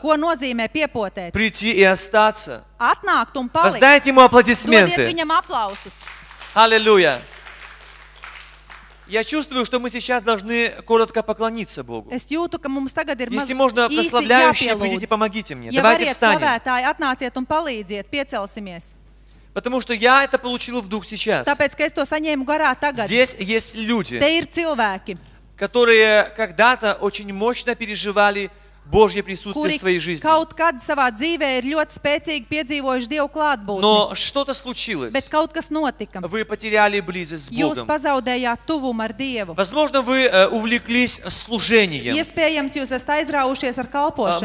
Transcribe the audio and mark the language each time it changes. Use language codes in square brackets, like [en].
[lv] Ko nozīmē piepotēt? [ru] Прийти и остаться. [lv] Atnākt un palikt. [ru] Воздайте ему аплодисменты. [lv] Dodiet viņam aplausus. Halleluja. [ru] Я чувствую, что мы сейчас должны коротко поклониться Богу. [lv] Es jūtu, ka mums tagad ir [ru] Если можно, прославляющие, придите, помогите мне. [lv] Ja [ru] Давайте встанем. [lv] Slavētāji, atnāciet un palīdziet, piecelsimies. [ru] Потому что я это получил в дух сейчас. [lv] Tāpēc, ka es to saņēmu garā tagad. [ru] Здесь есть люди. [lv] Te ir cilvēki. [ru] Которые когда-то очень мощно переживали Божье присутствие в своей жизни. [lv] Kaut kad savā dzīvē ir ļoti spēcīgi piedzīvojuši Dievu klātbūtni. [ru] Но что-то случилось. [lv] Bet kaut kas notika. [ru] Вы потеряли близость с Богом. [lv] Jūs pazaudējāt tuvumu ar Dievu. [ru] Возможно, вы увлеклись служением. [lv] Iespējams, jūs esat aizraujušies ar kalpošanu.